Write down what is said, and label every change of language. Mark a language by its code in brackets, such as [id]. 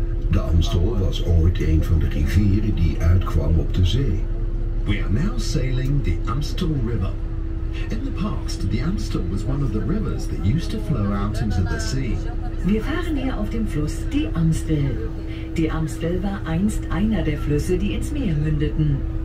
[nl] De Amstel was ooit een van de rivieren die uitkwam op de zee. [en] We are now sailing the Amstel River. In the past, the Amstel was one of the rivers that used to flow out into the sea. [de] Wir fahren hier auf dem Fluss die Amstel. Die Amstel war einst einer der Flüsse, die ins Meer mündeten.